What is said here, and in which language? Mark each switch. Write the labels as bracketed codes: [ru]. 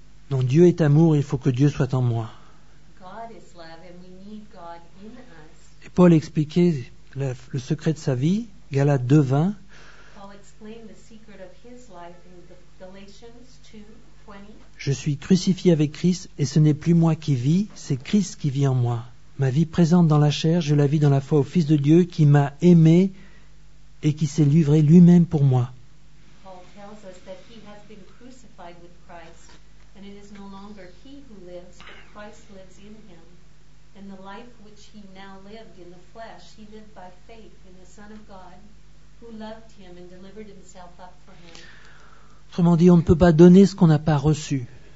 [fr] Non, Dieu est amour, il faut que Dieu soit en moi. [en] God is love and we need God in us. [fr] Et Paul expliquait le secret de sa vie, Galates 2:20. [en] Paul explained the secret of his life in Galatians 2:20. [fr] Je suis crucifié avec Christ et ce n'est plus moi qui vis, c'est Christ qui vit en moi. Ma vie présente dans la chair, je la vis dans la foi au Fils de Dieu qui m'a aimé et qui s'est livré lui-même pour moi. [en] Paul tells us that he has been crucified with Christ and it is no longer he who lives, but Christ lives in him. And the life which he now lived in the flesh, he lived by faith in the Son of God who loved him and delivered himself up for him. [fr] Autrement dit, on ne peut pas donner ce qu'on n'a pas reçu.